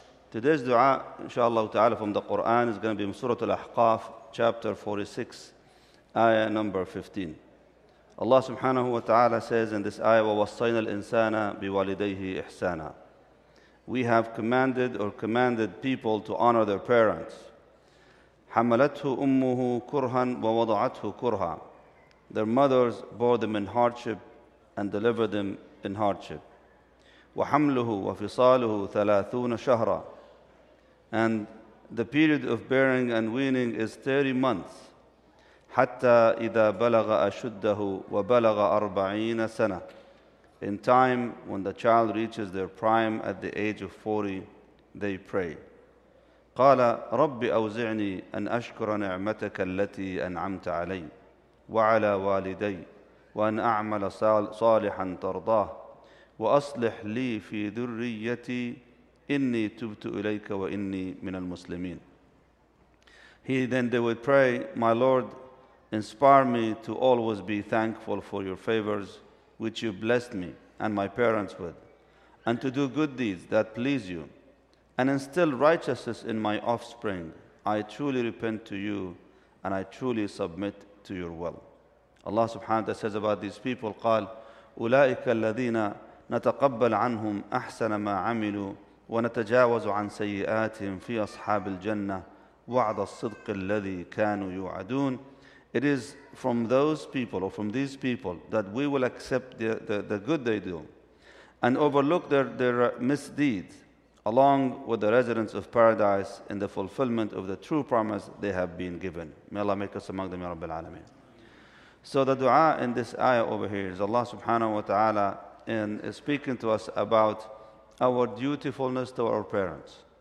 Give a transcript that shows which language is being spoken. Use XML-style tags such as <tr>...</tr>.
<en>Today's dua, inshallah ta'ala, from the Quran is going to be in Surah Al-Ahqaf, chapter 46, ayah number 15. Allah subhanahu wa ta'ala says in this ayah,</en> <ar>وَوَصَّيْنَا الْإِنسَانَ بِوَالِدَيْهِ إِحْسَانًا.</ar> <en>We have commanded or commanded people to honor their parents.</en> <ar>حَمَلَتْهُ أُمُّهُ كُرْهًا وَوَضَعَتْهُ كُرْهًا.</ar> <en>Their mothers bore them in hardship and delivered them in hardship.</en> <ar>وَحَمْلُهُ وَفِصَالُهُ ثَلَاثُونَ شَهْرًا.</ar> <en>And the period of bearing and weaning is 30 months.</en> <ar>حتى إذا بلغ أشده وبلغ أربعين سنة.</ar> <en>In time when the child reaches their prime at the age of 40, they pray.</en> <ar>قال رب أوزعني أن أشكر نعمتك التي أنعمت علي وعلى والدي وأن أعمل صالحا ترضاه وأصلح لي في ذريتي إني تبت إليك وإني من المسلمين.</ar> <en>They would pray, my Lord, inspire me to always be thankful for your favors which you blessed me and my parents with, and to do good deeds that please you, and instill righteousness in my offspring. I truly repent to you and I truly submit to your will. Allah subhanahu wa ta'ala says about these people,</en> <ar>قال أولئك الذين نتقبل عنهم أحسن ما عملوا ونتجاوز عن سيئاتهم في أصحاب الجنة وعد الصدق الذي كانوا يوعدون.</ar> <en>It is from those people or from these people that we will accept the good they do and overlook their misdeeds, along with the residents of paradise in the fulfillment of the true promise they have been given. May Allah make us among them, Ya Rabbil Alameen. So the dua in this ayah over here is Allah subhanahu wa ta'ala is speaking to us about our dutifulness to our parents.</en>